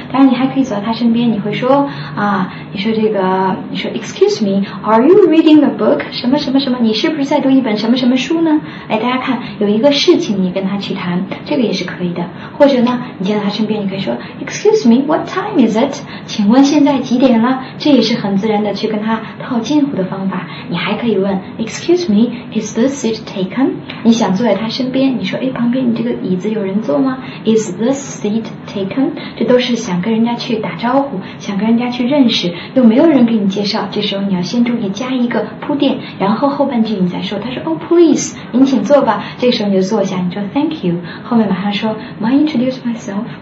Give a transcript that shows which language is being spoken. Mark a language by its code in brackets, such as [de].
[zh] 当然，你还可以走到他身边，你会说啊，你说这个，你说 [en] Excuse me, are you reading a book? [zh] 什么什么什么？你是不是在读一本什么什么书呢？哎，大家看，有一个事情你跟他去谈，这个也是可以的。或者呢，你见到他身边，你可以说 [en] Excuse me, what time is it? [zh] 请问现在几点了？这也是很自然的去跟他套近乎的方法。你还可以问 [en] Excuse me, is the seat taken? [zh] 你想坐在他身边，你说诶旁边你这个椅子有人坐吗？ [en] Is the seat taken? [zh] 这都是想跟人家去打招呼，想跟人家去认识，又没有人给你介绍，这时候你要先注意加一个铺垫，然后后半句你再说，他说 [en] Oh please, [zh] 您请坐吧，这时候你就坐下，你说 [en] Thank you, [zh] 后面马上说 [en] May I introduce myself?